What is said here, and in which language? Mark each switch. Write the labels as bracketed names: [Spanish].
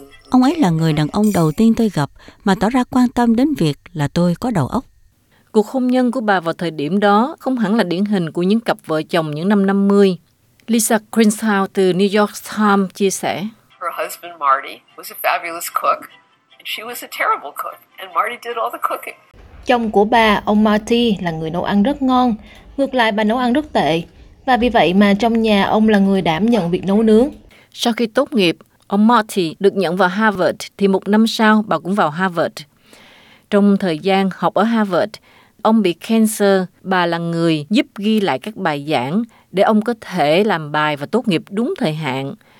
[Vietnamese] Ông ấy là người đàn ông đầu tiên tôi gặp mà tỏ ra quan tâm đến việc là tôi có đầu óc. Cuộc hôn nhân của bà vào thời điểm đó không hẳn là điển hình của những cặp vợ chồng những năm 50. Lisa Crenshaw từ New York Times chia sẻ. [English] Her husband Marty was a fabulous cook and she was a terrible cook and Marty did all the cooking. [Vietnamese] Chồng của bà, ông Marty là người nấu ăn rất ngon, ngược lại bà nấu ăn rất tệ. Và vì vậy mà trong nhà ông là người đảm nhận việc nấu nướng. Sau khi tốt nghiệp, ông Marty được nhận vào Harvard thì một năm sau bà cũng vào Harvard. Trong thời gian học ở Harvard, ông bị cancer, bà là người giúp ghi lại các bài giảng để ông có thể làm bài và tốt nghiệp đúng thời hạn.